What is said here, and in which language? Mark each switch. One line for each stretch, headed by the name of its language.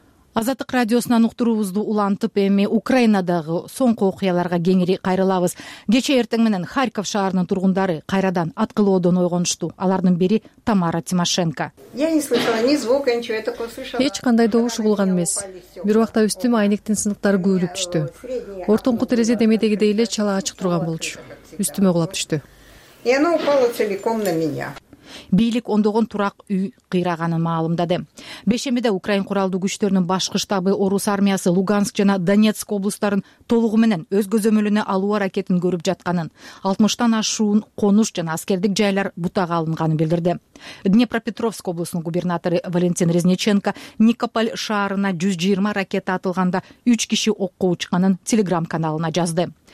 Kyrgyz: Азаттык радиосунан уктуруубузду улантып, эми Украинадагы соңку окуяларга кеңири кайрылабыз. Кечээ эртең менен Харьков шаарынын тургундары кайрадан аткылоодон ойгонушту. Алардын бири Тамара Тимошенко.
Russian: Я не слышала ни звука, ничего, я только услышала.
Kyrgyz: Эч кандай добуш угулган эмес. Бир убакта үстүмө айнектин сыныктары күйүлүп түштү. Ортоңку терезе демедегидей эле чала ачык турган болчу. Үстүмө кулап түштү.
Russian: И оно упало целиком на меня.
Kyrgyz: Бийлик ондогон турак үй кыйраганын маалымдады. Бешембиде Украин куралдуу күчтөрүнүн башкы штабы Орус армиясы Луганск жана Донецк облустарын толугу менен өз көзөмөлүнө алуу аракетин көрүп жатканын, 60 ашуун конуш жана аскердик жайлар бутага алынганын билдирди. Днепропетровск облусунун губернатору Валентин Резниченко Никополь шаарына 120 ракета атылганда 3 киши окко учканын телеграм каналына жазды.